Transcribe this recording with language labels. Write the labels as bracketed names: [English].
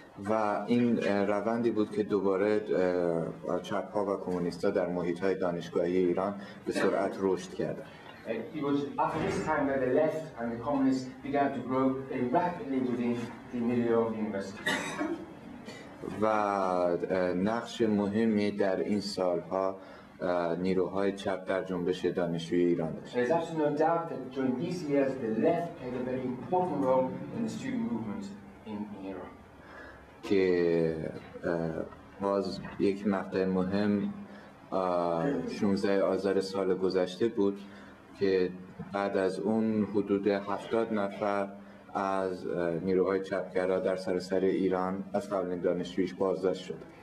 [Persian] و این روندی بود که دوباره چپ‌ها و کمونیست‌ها در محیط‌های دانشگاهی ایران به سرعت رشد کردن. [English] It was after this time that the left and the communists began to grow very rapidly within the milieu of the university. [Persian] و نقش مهمی در این سالها نیروهای چپ در جنبش دانشجویی ایران داشت. [English] There is absolutely no doubt that during these years the left played a very important role in the student movement in Iran. [Persian] که باز یک مقطع مهم 16 آذر سال گذشته بود که بعد از اون حدود 70 نفر از نیروهای چپگرا در سراسر ایران از قبل دانشجویش بازداشت شد.